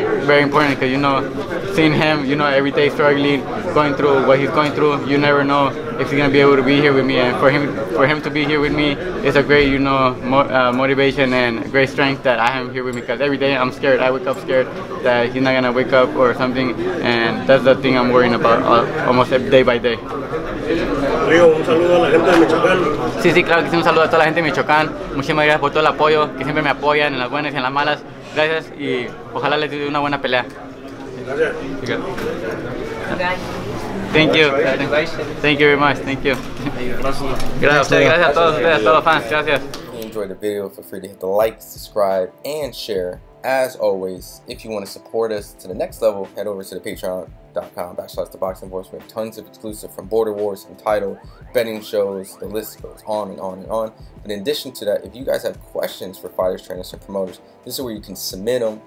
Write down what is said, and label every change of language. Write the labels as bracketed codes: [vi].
[en] It was very important because, you know, seeing him, you know, every day struggling, going through what he's going through, you never know if he's going to be able to be here with me. And for him to be here with me, it's a great, you know, motivation and great strength that I have here with me, because every day I'm scared. I wake up scared that he's not going to wake up or something. And that's the thing I'm worrying about almost day by day. [es] Sí, sí, claro que sí, un saludo a toda la gente de Michoacán. Muchísimas gracias por todo el apoyo, que siempre me apoyan en las buenas y en las malas. Gracias y ojalá les dé una buena pelea. Gracias. [en] Thank you. Thank you very much. Thank you. [es] Gracias a todos ustedes, a todos los fans. Gracias. [en] If you enjoyed the video, feel free to hit the like, subscribe, and share. As always, if you want to support us to the next level, head over to the patreon.com/theboxingvoice. We have tons of exclusive from Border Wars, Entitled, betting shows, the list goes on and on and on. But in addition to that, if you guys have questions for fighters, trainers, and promoters, this is where you can submit them.